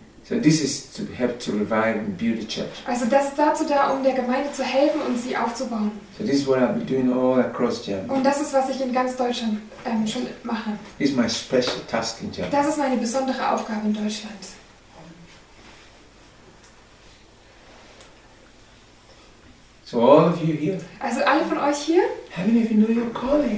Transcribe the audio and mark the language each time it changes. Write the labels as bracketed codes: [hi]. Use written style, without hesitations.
[en] So this is to help to revive and build the church. [de] Also das ist dazu da, um der Gemeinde zu helfen und sie aufzubauen. [en] So this is what I've been doing all across Germany. [de] Und das ist, was ich in ganz Deutschland schon mache. [en] This is my special task in Germany. [de] Das ist meine besondere Aufgabe in Deutschland. [en] So all of you here. [de] Also alle von euch hier. [en] How many of you know your calling?